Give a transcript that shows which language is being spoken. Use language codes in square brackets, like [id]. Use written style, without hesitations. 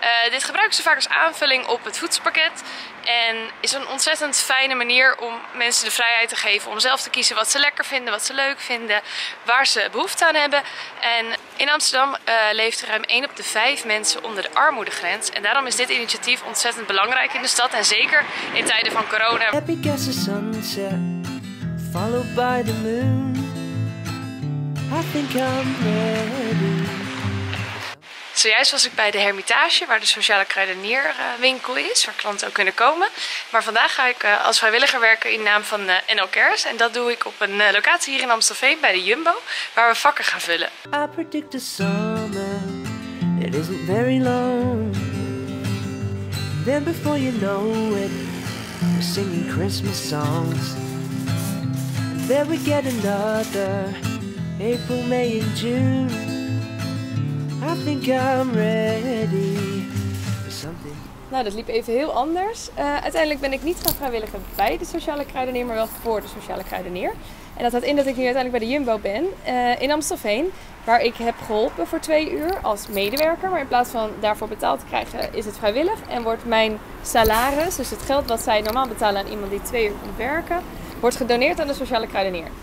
[nl] Dit gebruiken ze vaak als aanvulling op het voedselpakket en is een ontzettend fijne manier om mensen de vrijheid te geven om zelf te kiezen wat ze lekker vinden, wat ze leuk vinden, waar ze behoefte aan hebben. En in Amsterdam leeft ruim 1 op de 5 mensen onder de armoedegrens en daarom is dit initiatief ontzettend belangrijk in de stad en zeker in tijden van corona. [en] Happy guess the sunset, followed by the moon, I think I'm ready. [nl] Zojuist was ik bij de Hermitage, waar de Sociale Kruidenier winkel is, waar klanten ook kunnen komen. Maar vandaag ga ik als vrijwilliger werken in naam van NL Cares. En dat doe ik op een locatie hier in Amstelveen bij de Jumbo, waar we vakken gaan vullen. [en] I predict the summer, it isn't very long. Then before you know it, we're singing Christmas songs. Then we get another April, May and June. I think I'm ready for something. [nl] Nou, dat liep even heel anders. Uiteindelijk ben ik niet gaan vrijwilligen bij de Sociale Kruidenier, maar wel voor de Sociale Kruidenier. En dat houdt in dat ik nu uiteindelijk bij de Jumbo ben in Amstelveen, waar ik heb geholpen voor 2 uur als medewerker. Maar in plaats van daarvoor betaald te krijgen, is het vrijwillig en wordt mijn salaris, dus het geld wat zij normaal betalen aan iemand die 2 uur komt werken, wordt gedoneerd aan de Sociale Kruidenier.